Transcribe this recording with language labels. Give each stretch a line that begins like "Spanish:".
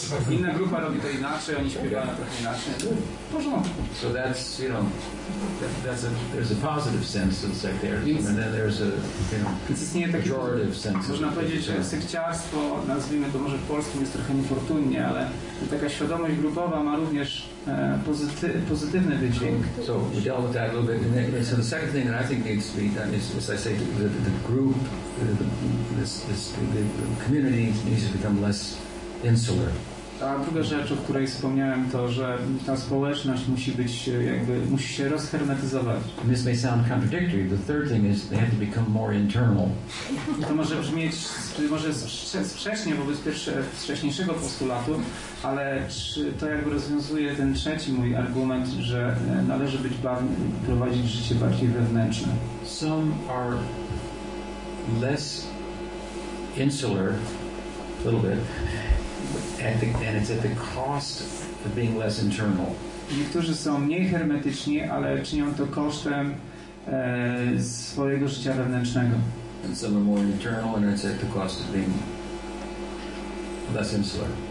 Polish: Inna grupa robi to inaczej, oni śpiewają to inaczej. Porządku.
English: So that's, you know, there's a positive sense of sectarianism, and then there's a, you know, pejorative sense.
Polish: Można powiedzieć, że sekciarstwo, nazwijmy to może w polskim, jest trochę niefortunnie, ale taka świadomość grupowa ma również pozytywny wydźwięk.
English: So we dealt with that a little bit. And then, so the second thing that I think needs to be done is, as I say, the group, the community needs to become less insular.
Polish: A druga rzecz, o której wspomniałem, to, że ta społeczność musi być jakby, musi się rozhermetyzować.
English: And this may sound contradictory. The third thing is they have to become more internal.
Polish: To może brzmieć, może sprzecznie wobec wcześniejszego postulatu, ale czy to jakby rozwiązuje ten trzeci mój argument, że należy być prowadzić życie bardziej wewnętrzne.
English: Some are less insular, a little bit. And it's at the cost of being less internal.
Polish: Niektórzy są mniej hermetyczni, ale czynią to kosztem swojego życia wewnętrznego.
English: And some are more internal, and it's at the cost of being less insular.